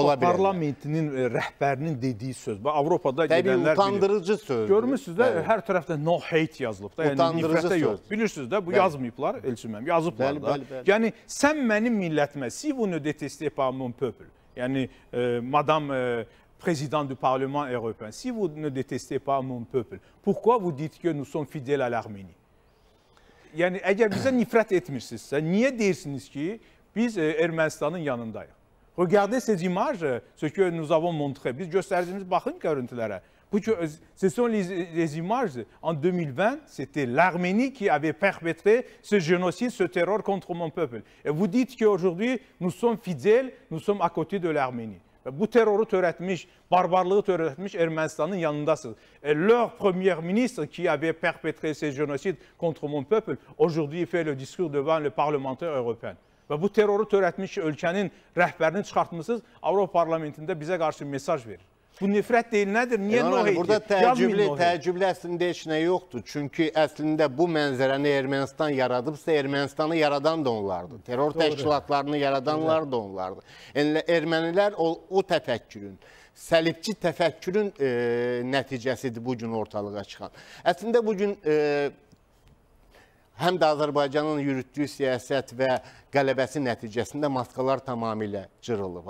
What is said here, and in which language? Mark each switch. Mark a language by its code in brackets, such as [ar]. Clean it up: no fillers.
[az] Avropa Parlamentinin rəhbərinin dediyi söz, Avropada gedənlər bilir. Təbii, utandırıcı söz. Görmüşsünüz də, hər tərəfdə [en] no hate [az] yazılıb da, yəni nifrətə yox. Bilirsiniz də, bu yazmayıblar, Elçin mənim, yazıblar da. Yəni, sən mənim millətmə, [fr] si vunu detesti epamun pöpül, [az] yəni madam... [fr] Président du Parlement européen, si vous ne détestez pas mon peuple, pourquoi vous dites que nous sommes fidèles à l'Arménie? [tr] Yani, eğer bize nifret etmişsiniz, niye dersiniz ki biz Ermenistan'ın yanındayız? [fr] Regardez ces images, ce que nous avons montré. [tr] Biz gösterdiğimiz, bakın görüntülere. [fr] Ce sont les images. En 2020, c'était l'Arménie qui avait perpétré ce génocide, ce terror contre mon peuple. Et vous dites qu'aujourd'hui, nous sommes fidèles, nous sommes à côté de l'Arménie. [az] Bu terroru törətmiş, barbarlığı törətmiş Ermənistanın yanındasınız. [fr] Leur premier ministre qui avait perpétré ce génocide contre mon peuple, aujourd'hui fait le discours devant le parlementaire européen. [az] Bu terroru törətmiş ölkənin rəhbərini çıxartmışsınız, Avropa Parlamentində bizə qarşı mesaj verir. Bu nifrət deyil, nədir? Niyə nohiddir? Burada təəccüblü əslində heç nə yoxdur. Çünki əslində bu mənzərəni Ermənistan yaradıbsa, Ermənistanı yaradan da onlardır. Terror təşkilatlarını yaradanlar da onlardır. Ermənilər o təfəkkürün, səlibçi təfəkkürün nəticəsidir bugün ortalığa çıxan. Əslində bugün həm də Azərbaycanın yürütdüyü siyasət və qələbəsi nəticəsində maskalar tamamilə cırılıb.